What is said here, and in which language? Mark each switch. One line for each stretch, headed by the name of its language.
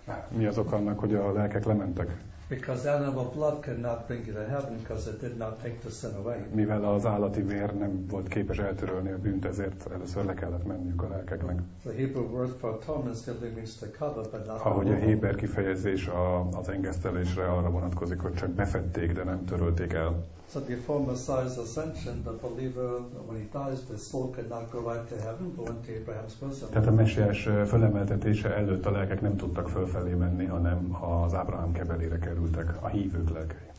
Hungarian: Mi az oka annak, hogy a lelkek lementek?
English: Because animal blood cannot bring you to heaven, because it did not take the sin away.
Hungarian: Mivel az állati vér nem volt képes eltörölni a bűnt, ezért először le kellett menniük a lelkeknek.
English: The Hebrew word for atonement simply means to cover, but not.
Hungarian: Ahogy a héber kifejezés az engesztelésre arra vonatkozik, hogy csak befették, de nem törölték el.
English: So before Messiah's ascension, the believer, when he dies, the soul cannot go right to heaven, but went to Abraham's bosom.
Hungarian: Tehát a Mesiás fölemeltetése előtt a lelkek nem tudtak fölfelé menni, hanem az Ábrahám kebelére kerültek, a hívők lelkei.